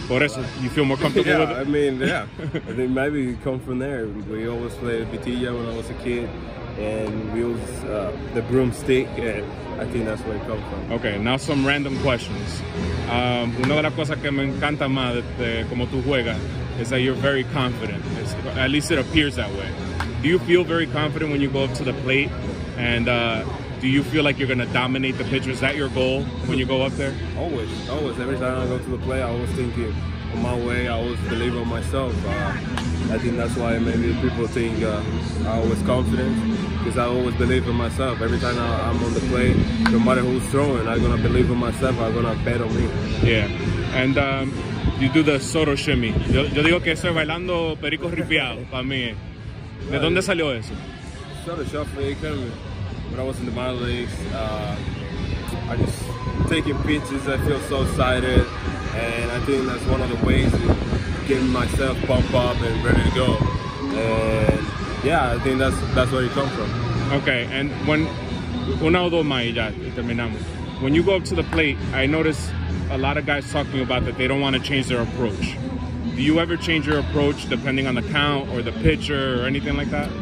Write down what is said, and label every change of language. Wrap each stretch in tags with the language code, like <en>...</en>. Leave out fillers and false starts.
<es>Por eso,</es> <en>you feel more comfortable with it? Yeah, I mean, yeah. I think maybe it come from there. We always played vitilla when I was a kid, and we use the broomstick, and I think that's where it comes from. Okay, now some random questions.</en> <es>Una de las cosas que me encanta más de como tú juegas</es> <en>is that you're very confident. At least it appears that way. Do you feel very confident when you go up to the plate? And do you feel like you're going to dominate the pitcher? Is that your goal when you go up there? Always. Every time I go to the plate, I always think on my way. I always believe in myself. I think that's why maybe people think I was confident, because I always believe in myself. Every time I'm on the plate, no matter who's throwing, I'm going to believe in myself. I'm going to bet on me. Yeah. And you do the Soto shimmy.</en> <es>Yo digo que eso es bailando perico ripiado para mí. ¿De dónde salió eso?</es> <en>Soto shuffle, it came when I was in the minor leagues. I just taking pitches, I feel so excited. And I think that's one of the ways to get myself pumped up and ready to go. And yeah, I think that's where it comes from. Okay, and when</en> <es>una o dos más y ya terminamos.</es> <en>When you go up to the plate, I notice a lot of guys talking about that they don't want to change their approach. Do you ever change your approach depending on the count or the pitcher or anything like that?</en>